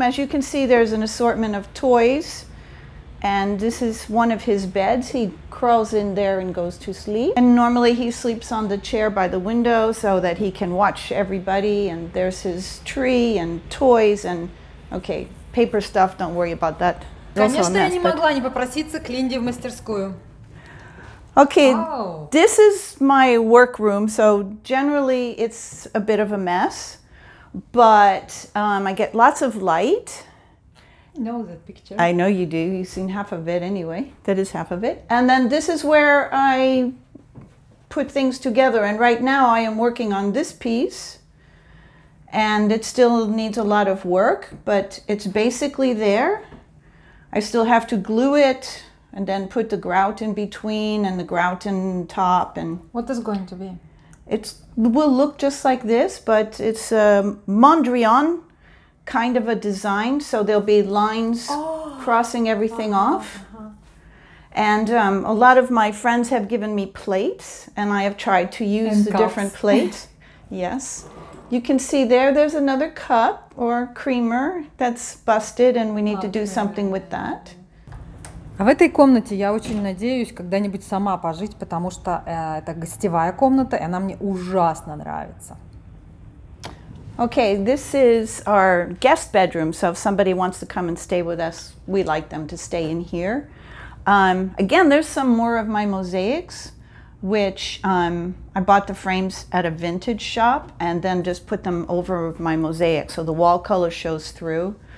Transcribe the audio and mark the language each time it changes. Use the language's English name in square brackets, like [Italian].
[English] As you can see, there's an assortment of toys, and this is one of his beds. He crawls in there and goes to sleep. And normally he sleeps on the chair by the window so that he can watch everybody, and there's his tree and toys and, okay, paper stuff, don't worry about that. [Russian] Конечно, я не могла не попроситься к Линде в мастерскую. [English] Okay, this is my work room, so generally it's a bit of a mess, but I get lots of light. I know that picture. I know you do. You've seen half of it anyway. That is half of it. And then this is where I put things together, and right now I am working on this piece, and it still needs a lot of work, but it's basically there. I still have to glue it. And then put the grout in between and the grout in top. And what is going to be? It will look just like this, but it's a Mondrian kind of a design. So there'll be lines crossing everything off. And a lot of my friends have given me plates, and I have tried to use the different plates. Yes. You can see there's another cup or creamer that's busted, and we need to do something with that. [Russian] А в этой комнате я очень надеюсь когда-нибудь сама пожить, потому что это гостевая комната, и она мне ужасно нравится. [English] Okay, this is our guest bedroom, so if somebody wants to come and stay with us, we like them to stay in here. Again, there's some more of my mosaics, which I bought the frames at a vintage shop, and then just put them over my mosaic, so the wall color shows through.